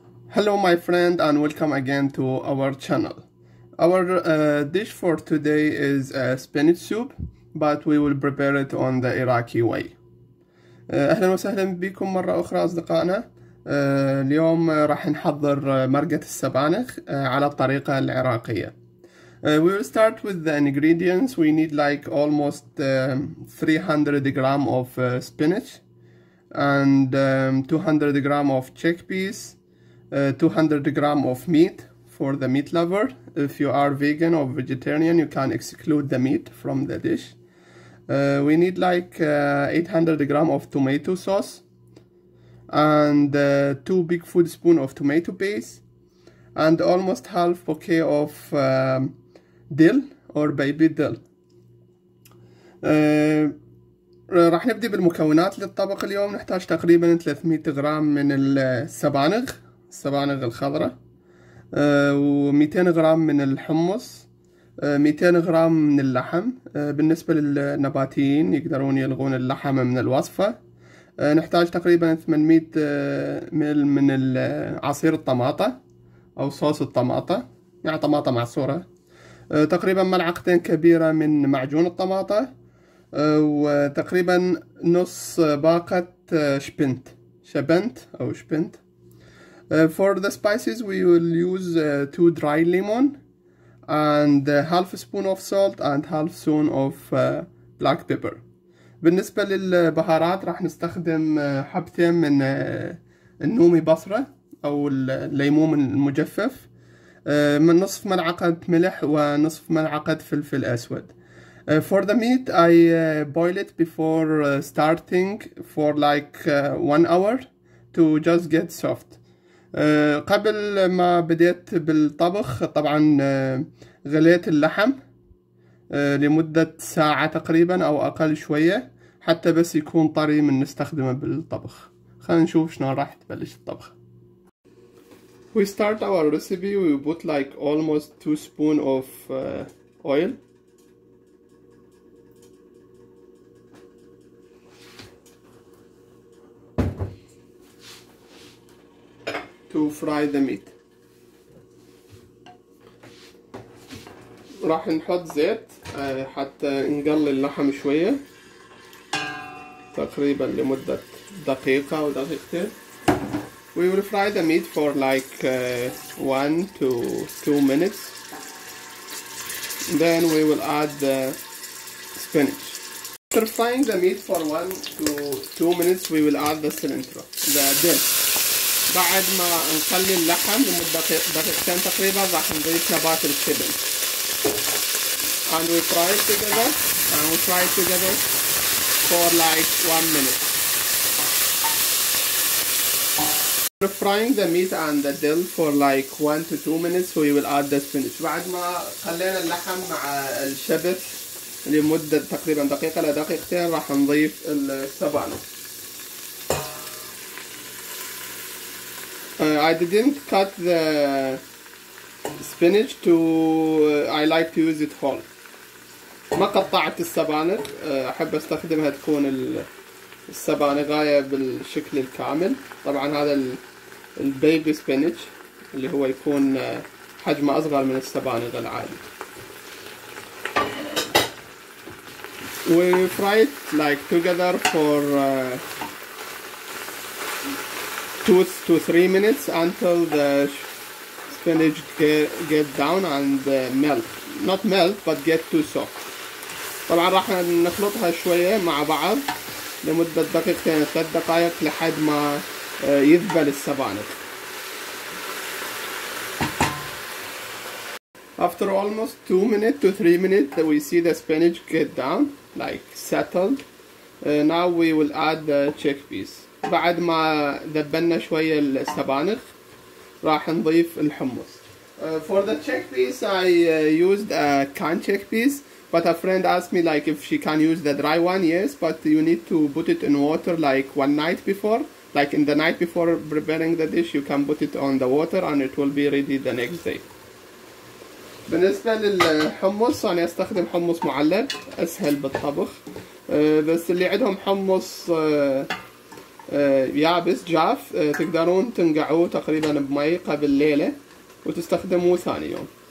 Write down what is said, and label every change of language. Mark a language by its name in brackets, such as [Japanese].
[English] Hello, my friend, and welcome again to our channel. Our dish for today is spinach soup, but we will prepare it on the Iraqi way. [Arabic] أهلا وسهلا بكم مرة أخرى أصدقائنا. اليوم راح نحضر مرقة السبانخ على الطريقة العراقية. [English] We will start with the ingredients. We need like almost 300 grams of spinach and 200 grams of chickpeas. 200 gram of meat for the meat lover. If you are vegan or vegetarian, you can exclude the meat from the dish. We need like 800 gram of tomato sauce and 2 big food spoon of tomato paste and almost half bouquet of dill or baby dill. [Arabic] راح نبدأ بالمكونات للطبق اليوم. نحتاج تقريبا 300 جرام من السبانخ. السبانخ الخضراء و 200 غرام من الحمص 200 غرام من اللحم. بالنسبة للنباتيين يقدرون يلغون اللحم من الوصفة. نحتاج تقريبا 800 مل من عصير الطماطة أو صوص الطماطة، يعني طماطة معصورة. تقريبا ملعقتين كبيرة من معجون الطماطة وتقريبا نص باقة شبنت شبنت أو شبنت. [English] For the spices, we will use 2 dry lemon and half a spoon of salt and half spoon of black pepper. [Arabic] بالنسبة للبهارات راح نستخدم حبتين من النومي بصرة أو الليمون المجفف، من نصف ملعقة ملح ونصف ملعقة فلفل أسود. [English] For the meat, I boil it before starting for like 1 hour to just get soft. [Arabic] قبل ما بديت بالطبخ طبعا غليت اللحم لمدة ساعة تقريبا أو أقل شوية حتى بس يكون طري من نستخدمه بالطبخ. خلينا نشوف شنو راح تبلش الطبخ. [English] We start our recipe. We put like almost 2 spoon of oil. To fry the meat. [Arabic] راح نحط زيت حتى نقلل اللحم شوية تقريبا لمدة دقيقة أو دقيقتين. [English] We will fry the meat for like 1 to 2 minutes. Then we will add the spinach. After frying the meat for 1 to 2 minutes, we will add the cilantro, the dill. [Arabic] بعد ما نقلي اللحم لمدة دقيقتين تقريبا راح نضيف نبات الشبن. [English] And we fry it together and we fry it together for like 1 minute. After frying the meat and the dill for like 1 to 2 minutes, we will add the spinach. [Arabic] بعد ما خلينا اللحم مع الشبت لمدة تقريبا دقيقة لدقيقتين راح نضيف السبانخ. [English] I didn't cut the spinach to I like to use it whole. [Arabic] ما قطعت السبانخ، أحب أستخدمها تكون السبانخاية بالشكل الكامل. طبعا هذا البيبي سبينج اللي هو يكون حجمه أصغر من السبانخ العادي. [English] We fry it like together for 2 to 3 minutes until the spinach get down and melt. Not melt, but get too soft. [Arabic] طبعا راح نخلطها شوية مع بعض لمدة دقيقتين 3 دقائق لحد ما يذبل السبانخ. [English] After almost 2 minutes to 3 minutes, we see the spinach get down, like settled. Now we will add the chickpeas. [Arabic] بعد ما ذبلنا شوية السبانخ راح نضيف الحمص. [English] For the chickpeas I used a canned chickpeas, but a friend asked me like if she can use the dry one. Yes, but you need to put it in water like one night before. Like in the night before preparing the dish, you can put it on the water and it will be ready the next day. [Arabic] بالنسبة للحمص أنا أستخدم حمص معلب، أسهل بالطبخ. بس اللي عندهم حمص يابس جاف، تقدرون تنقعوه تقريبا بمي قبل ليلة وتستخدموه ثاني يوم.